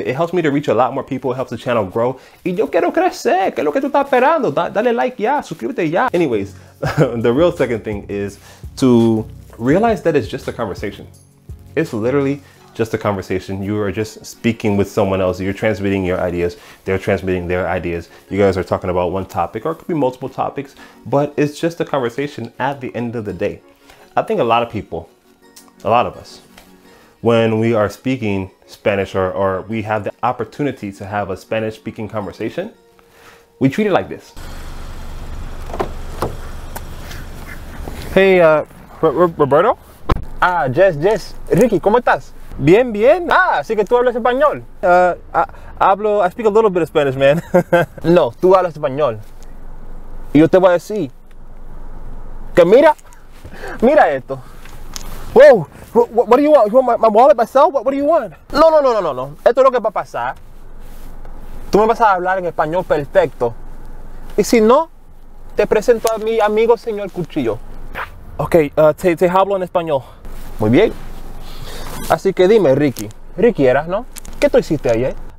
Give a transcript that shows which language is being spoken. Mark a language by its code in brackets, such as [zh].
[en] It helps me to reach a lot more people, it helps the channel grow. [es] Y yo quiero crecer, que lo que tú estás esperando. Dale like ya, suscríbete ya. [en] Anyways, the real second thing is to realize that it's just a conversation. It's literally just a conversation. You are just speaking with someone else. You're transmitting your ideas. They're transmitting their ideas. You guys are talking about one topic, or it could be multiple topics, but it's just a conversation at the end of the day. I think a lot of people, a lot of us, when we are speaking Spanish, or we have the opportunity to have a Spanish speaking conversation, we treat it like this. Hey, Roberto? Ah, yes. [es] Ricky, ¿cómo estás? Bien, bien. Ah, así que tú hablas español. [en] I speak a little bit of Spanish, man. [es] No, tú hablas español. Y yo te voy a decir que mira esto. [en] Whoa, what do you want? You want my wallet, my cell? What do you want? [es] No. Esto es lo que va a pasar. Tú me vas a hablar en español perfecto. Y si no, te presento a mi amigo señor Cuchillo. Ok, te hablo en español. Muy bien. Así que dime, Ricky. Ricky eras, ¿no? ¿Qué tú hiciste ayer?